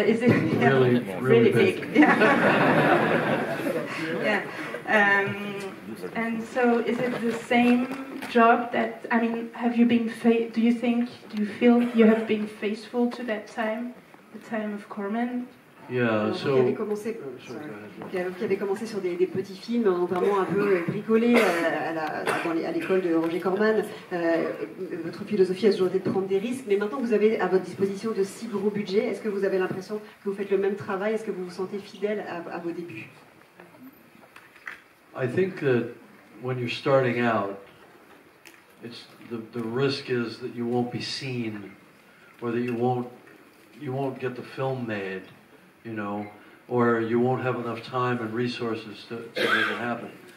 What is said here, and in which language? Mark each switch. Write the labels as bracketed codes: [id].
[en] Is it really big? Yeah. And so, is it the same job that I mean? Have you been? Do you feel you have been faithful to that time, the time of Corman? [fr] Qui avait commencé sur des petits films, hein, vraiment un peu bricolé à l'école de Roger Corman. Votre philosophie a toujours été de prendre des risques, mais maintenant que vous avez à votre disposition de si gros budgets, est-ce que vous avez l'impression que vous faites le même travail? Est-ce que vous vous sentez fidèle à vos débuts? [en] I think that when you're starting out, it's the risk is that you won't be seen, or that you won't get the film made. You know, or you won't have enough time and resources to make it happen.